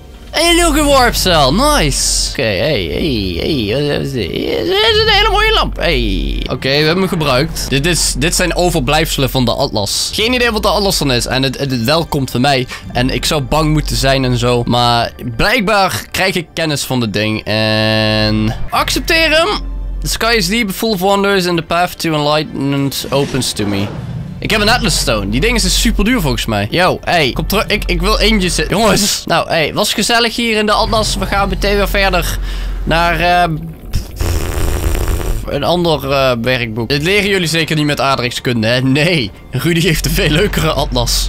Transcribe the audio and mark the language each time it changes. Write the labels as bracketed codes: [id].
[nl] En een nieuwe warp cell, nice. Oké, hey, dit is een hele mooie lamp, hey. Oké, we hebben hem gebruikt. Dit zijn overblijfselen van de atlas. Geen idee wat de atlas dan is en het wel komt van mij. En ik zou bang moeten zijn en zo. Maar blijkbaar krijg ik kennis van het ding en... Accepteer hem. [en] The sky is deep, full of wonders and the path to enlightenment opens to me. [nl] Ik heb een Atlas Stone. Die dingen zijn super duur volgens mij. Yo, hey, kom terug. Ik wil eentje zitten. Jongens. Nou, hey, was gezellig hier in de Atlas. We gaan meteen weer verder naar een ander werkboek. Dit leren jullie zeker niet met aardrijkskunde, hè? Nee. Rudy heeft een veel leukere Atlas.